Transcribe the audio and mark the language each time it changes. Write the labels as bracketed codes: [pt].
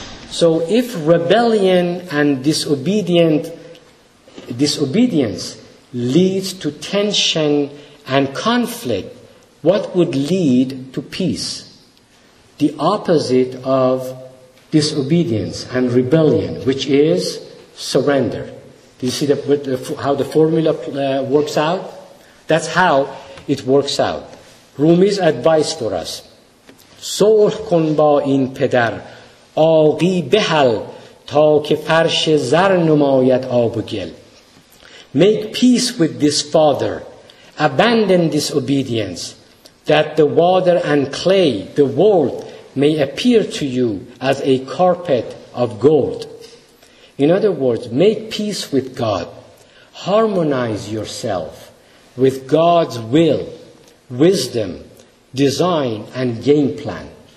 [en] So if rebellion and disobedience leads to tension and conflict, what would lead to peace? The opposite of disobedience and rebellion, which is surrender. Do you see how the formula works out? That's how it works out. Rumi's advice for us. [fa] صلح کن با این پدر آقی بحل تا که فرش زر نماید آب و گل. [en] Make peace with this father. Abandon disobedience, that the water and clay, the world, may appear to you as a carpet of gold. In other words, make peace with God. Harmonize yourself with God's will, wisdom, design, and game plan.